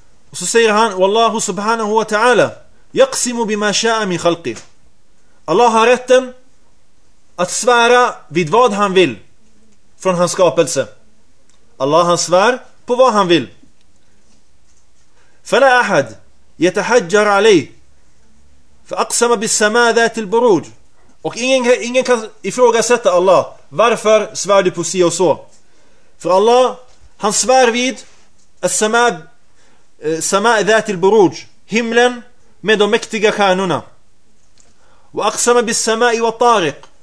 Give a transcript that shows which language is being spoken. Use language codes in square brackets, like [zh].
[sv] Och så säger han: [ar] Wallahu subhanahu wa ta'ala yaqsimu bima sha'a min khalqi. [sv] Allah har rätten att svära vid vad han vill från hans skapelse. Allah, han svär på vad han vill. [ar] فلا احد يتحجر عليه فاقسم بالسماء ذات البروج. [sv] Och ingen kan ifrågasätta Allah: varför svär du på si och så? För Allah, han svär vid as-sama [ar] ذات البروج, [sv] himlen med de mäktiga stjärnorna. [ar] واقسم بالسماء والطارق.